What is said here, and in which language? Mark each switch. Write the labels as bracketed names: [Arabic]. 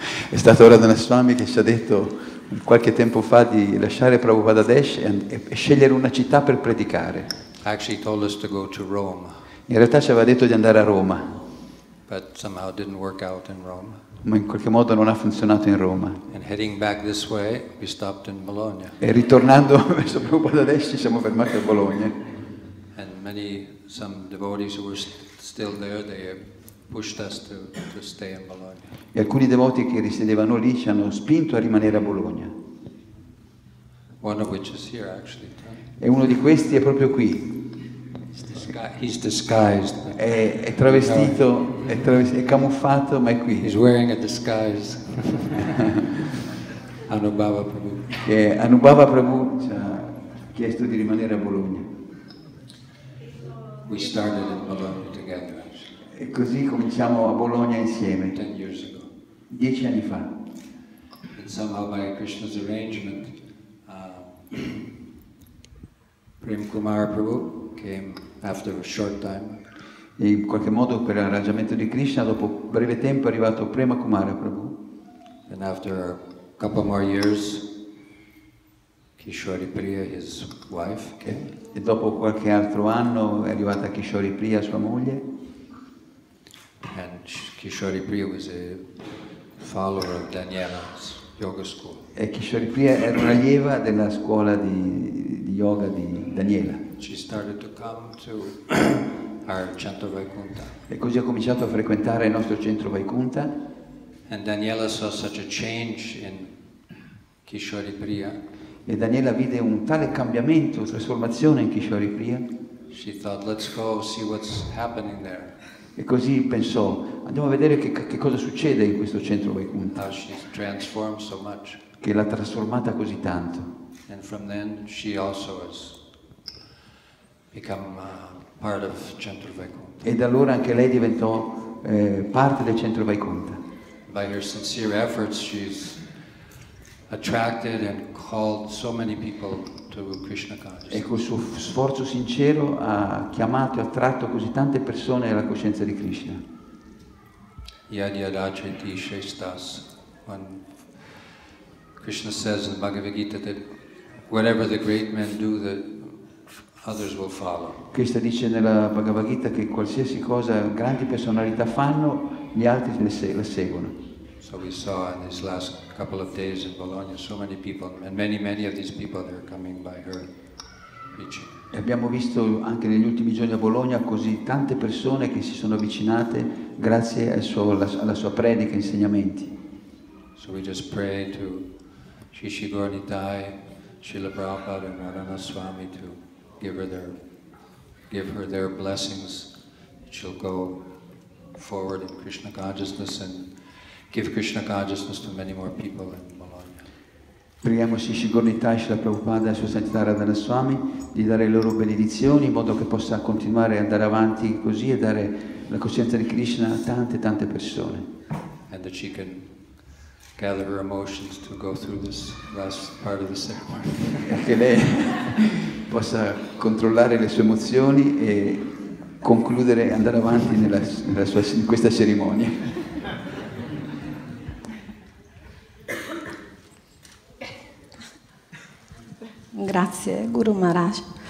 [Italian] È stato Radhanath Swami che ci ha detto qualche tempo fa di lasciare Prabhupadesh e scegliere una città per predicare. [English] Actually, he told us to go to Rome. [Italian] In realtà ci aveva detto di andare a Roma. [English] But somehow it didn't work out in Rome. [Italian] Ma in qualche modo non ha funzionato in Roma. [English] And heading back this way, we stopped in Bologna. [Italian] E ritornando verso Prabhupadesh ci siamo fermati a Bologna. [English] And many some devotees who were still there, they pushed us to stay in Bologna. [Italian] E alcuni devoti che risiedevano lì ci hanno spinto a rimanere a Bologna. [English] One of which is here, actually. [Italian] E uno di questi è proprio qui. [English] He's disguised. [Italian] È travestito, no. È camuffato, ma è qui. [English] He's wearing a disguise. Anubhava Prabhu. [Italian] E Anubhava Prabhu ci ha chiesto di rimanere a Bologna. [English] We started in Bologna together. [Italian] E così cominciamo a Bologna insieme. [English] 10 years ago. [Italian] 10 anni fa. [English] And somehow by Krishna's arrangement, Prem Kumar Prabhu came after a short time. [Italian] E in qualche modo per l'arrangiamento di Krishna, dopo breve tempo è arrivato Prema Kumara Prabhu. [English] And after a couple more years, Kishori Priya, his wife, came. [Italian] E dopo qualche altro anno è arrivata Kishori Priya, sua moglie. [English] And Kishori Priya was a follower of Daniela's yoga school. [Italian] E Kishori Priya era una allieva della scuola di yoga di Daniela. [English] She started to come to our Centro Vaikuntha. [Italian] E così ha cominciato a frequentare il nostro Centro Vaikuntha. [English] And Daniela saw such a change in Kishori Priya. [Italian] E Daniela vide un tale cambiamento, trasformazione in Kishori Priya. [English] She thought, let's go see what's happening there. [Italian] E così pensò, andiamo a vedere che cosa succede in questo Centro Vaikuntha. [English] How she's transformed so much. [Italian] Che l'ha trasformata così tanto. [English] And from then she also has become part of Centro Vaikuntha. [Italian] E da allora anche lei diventò parte del Centro Vaikuntha. [English] By her sincere efforts she's attracted and called so many people to Krishna consciousness. [Italian] E col suo sforzo sincero ha chiamato e attratto così tante persone alla coscienza di Krishna. [Sanskrit] Yad yad acheti sheshtas. [English] When Krishna says in the Bhagavad Gita that whatever the great men do, that others will follow. [Italian] Krishna dice nella Bhagavad Gita che qualsiasi cosa grandi personalità fanno, gli altri le seguono. [English] So we saw in these last couple of days in Bologna so many people, and many of these people that are coming by her [Italian] E abbiamo visto anche negli ultimi giorni a Bologna così tante persone che si sono avvicinate grazie alla sua predica e insegnamenti. [English] So we just pray to Shishi Gornitai, Srila Prabhupada and Radhana Swami to give her their blessings, that she'll go forward in Krishna consciousness and give Krishna consciousness to many more people in Bologna. [Italian] Preghiamo Shishi Gornitai, Srila Prabhupada e Sua Santità Radhana Swami di dare le loro benedizioni in modo che possa continuare ad andare avanti così e dare la coscienza di Krishna a tante tante persone. [English] And that she can gather her emotions to go through this last part of the ceremony. [Italian] Che lei possa controllare le sue emozioni e concludere, andare avanti in questa cerimonia. Grazie Guru Maharaj.